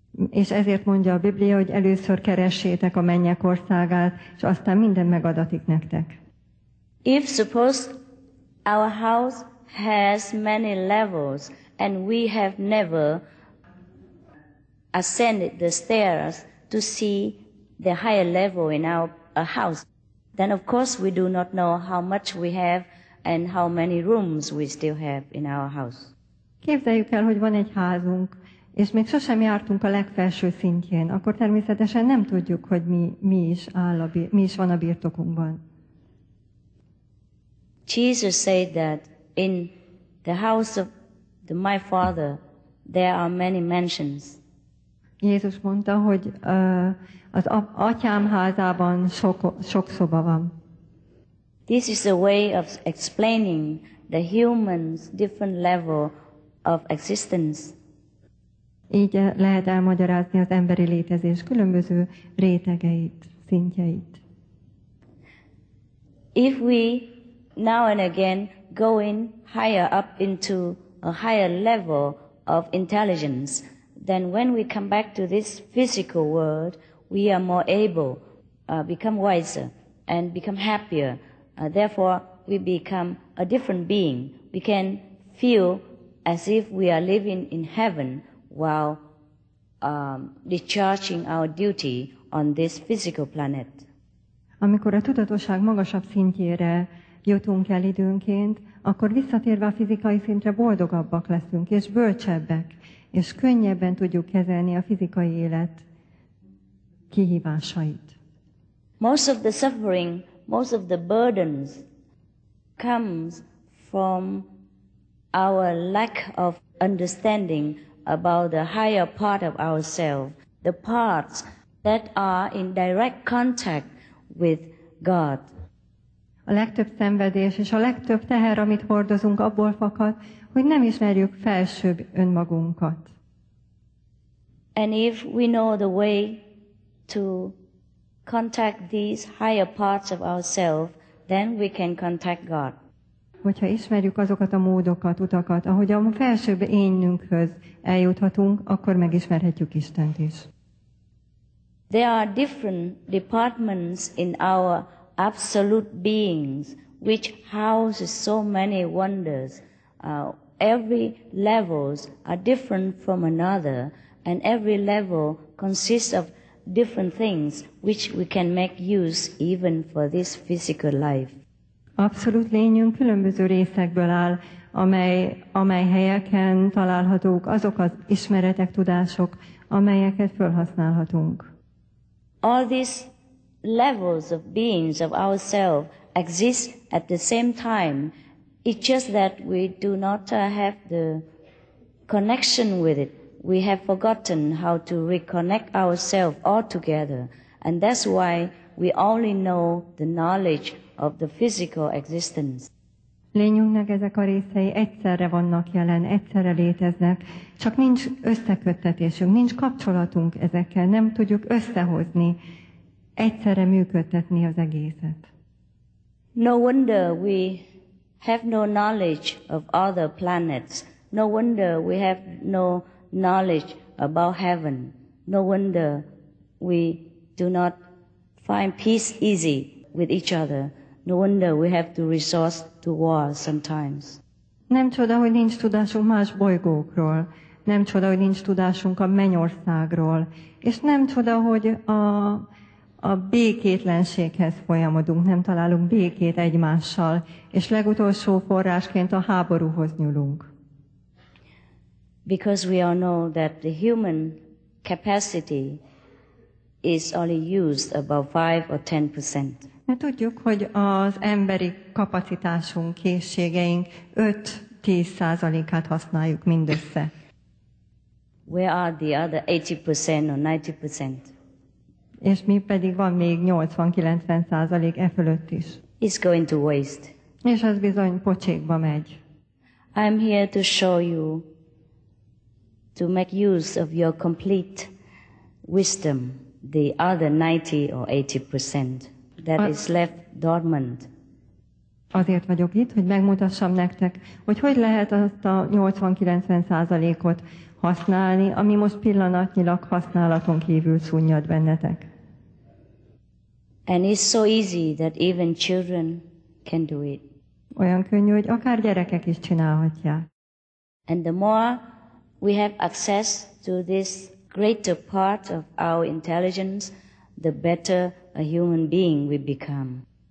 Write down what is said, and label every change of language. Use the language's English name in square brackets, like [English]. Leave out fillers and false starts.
[Hungarian] És ezért mondja a Biblia, hogy először keressétek a mennyek országát, és aztán minden megadatik nektek. [English] If suppose our house has many levels and we have never ascended the stairs to see the higher level in our house, then of course we do not know how much we have and how many rooms we still have in our house. [Hungarian] Képzeljük el, hogy van egy házunk, és még sosem jártunk a legfelső szintjén, akkor természetesen nem tudjuk, hogy mi is van a birtokunkban. [English] Jesus said that in the house of my Father there are many mansions. [Hungarian] Jézus mondta, hogy az atyám házában sok szoba van. [English] This is a way of explaining the human's different level of existence. [Hungarian] Így lehet elmagyarázni az emberi létezés különböző rétegeit, szintjeit. [English] If we now and again go in higher up into a higher level of intelligence, then when we come back to this physical world, we are more able, become wiser, and become happier. Therefore, we become a different being. We can feel as if we are living in heaven while discharging our duty on this physical planet. [Hungarian] Amikor a tudatosság magasabb szintjére jutunk el időnként, akkor visszatérve a fizikai szintre boldogabbak leszünk, és bölcsebbek, és könnyebben tudjuk kezelni a fizikai élet kihívásait. [English] Most of the suffering, most of the burdens comes from our lack of understanding about the higher part of ourselves, the parts that are in direct contact with God. [Hungarian] A legtöbb szenvedés és a legtöbb teher, amit hordozunk, abból fakad, hogy nem ismerjük felsőbb önmagunkat. [English] And if we know the way to contact these higher parts of ourselves, then we can contact God. [Hungarian] Hogyha ismerjük azokat a módokat, utakat, ahogy a felsőbb énünkhöz eljuthatunk, akkor megismerhetjük Istent is. [English] There are different departments in our absolute beings which houses so many wonders. Every levels are different from another, and every level consists of different things which we can make use even for this physical life. [Hungarian] Abszolút lényünk különböző részekből áll, amely helyeken találhatók azok az ismeretek, tudások, amelyeket felhasználhatunk. [English] All these levels of beings of ourselves exist at the same time. It's just that we do not have the connection with it. We have forgotten how to reconnect ourselves altogether. And that's why we only know the knowledge of the physical existence. [Hungarian] Lényünknek ezek a részei egyszerre vannak jelen, egyszerre léteznek, csak nincs összeköttetésünk, nincs kapcsolatunk ezekkel, nem tudjuk összehozni, egyszerre működtetni az egészet. [English] No wonder we have no knowledge of other planets. No wonder we have no knowledge about heaven. No wonder we do not find peace easy with each other. No wonder we have to resort to war sometimes. [Hungarian] Nem csoda, hogy nincs tudásunk más bolygókról. Nem csoda, hogy nincs tudásunk a mennyországról. És nem csoda, hogy a békétlenséghez folyamodunk, nem találunk békét egymással. És legutolsó forrásként a háborúhoz nyúlunk. [English] Because we all know that the human capacity is only used about 5 or 10%. [Hungarian] Mert tudjuk, hogy az emberi kapacitásunk, készségeink 5-10%-át használjuk mindössze. [English] Where are the other 80% or 90%? [Hungarian] És mi pedig van még 80-90% e fölött is. [English] It's going to waste. [Hungarian] És az bizony pocsékba megy. [English] I'm here to show you to make use of your complete wisdom, the other 90 or 80% that is left dormant. [Hungarian] Azért vagyok itt, hogy megmutassam nektek, hogy hogy lehet azt a 80-90%-ot használni, ami most pillanatnyilag használaton kívül szunnyad bennetek. [English] And it's so easy that even children can do it. [Hungarian] Olyan könnyű, hogy akár gyerekek is csinálhatják. [English] And the more we have access to this greater part of our intelligence, the better a human being we become.